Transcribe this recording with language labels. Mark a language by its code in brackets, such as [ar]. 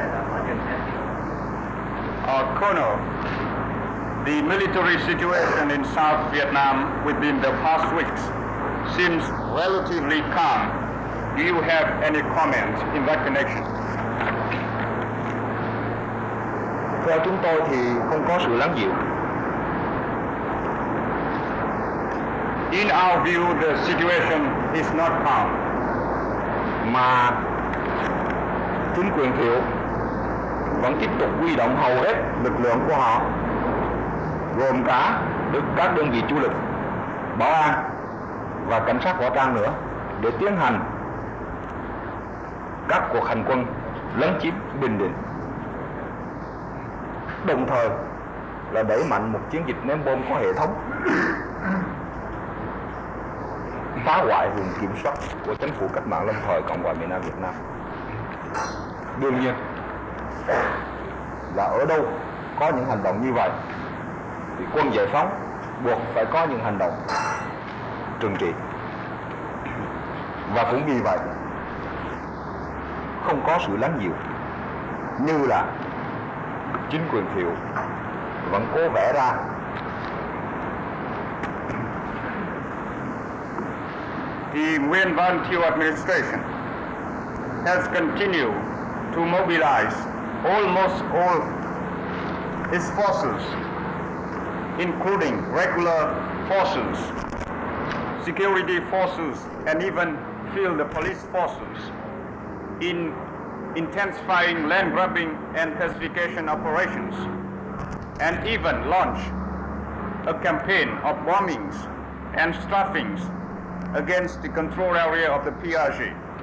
[en] or colonel, the military situation in South Vietnam within the past weeks seems relatively calm. Do you have any comment in that connection? [vi] Theo chúng tôi thì không có sự lắng dịu. [en] In our view, the situation is not calm. [vi] Mà chính quyền Thiệu vẫn tiếp tục huy động hầu hết lực lượng của họ, gồm cả các đơn vị chủ lực, bảo an và cảnh sát võ trang nữa, để tiến hành các cuộc hành quân lấn chiếm Bình Định, đồng thời là đẩy mạnh một chiến dịch ném bom có hệ thống phá hoại vùng kiểm soát của chính phủ cách mạng lâm thời Cộng hòa miền Nam Việt Nam. Đương nhiên là ở đâu có những hành động như vậy thì quân giải phóng buộc phải có những hành động trừng trị, và cũng vì vậy không có sự lắng dịu như là chính quyền Thiệu vẫn cố vẽ ra. [en] The Nguyen Van Thieu administration has continued to mobilize almost all its forces, including regular forces, security forces, and even field police forces, in intensifying land grabbing and pacification operations, and even launched a campaign of bombings and strafings against the control area of the PRG.